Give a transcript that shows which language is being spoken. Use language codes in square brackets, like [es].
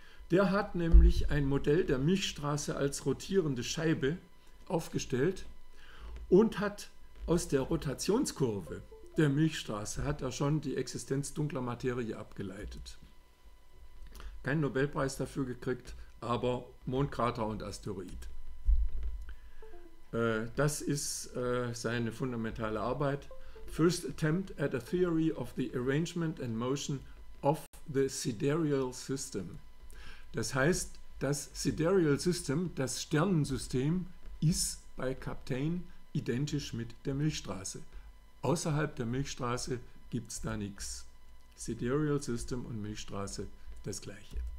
[de] Der hat nämlich ein Modell der Milchstraße als rotierende Scheibe aufgestellt und hat aus der Rotationskurve der Milchstraße hat er schon die Existenz dunkler Materie abgeleitet. Kein Nobelpreis dafür gekriegt, aber Mondkrater und Asteroid. Das ist seine fundamentale Arbeit. [en] First attempt at a theory of the arrangement and motion of the sidereal system. [de] Das heißt, das sidereal system, das Sternensystem, ist bei Kapteyn identisch mit der Milchstraße. Außerhalb der Milchstraße gibt es da nichts. Sidereal System und Milchstraße das Gleiche.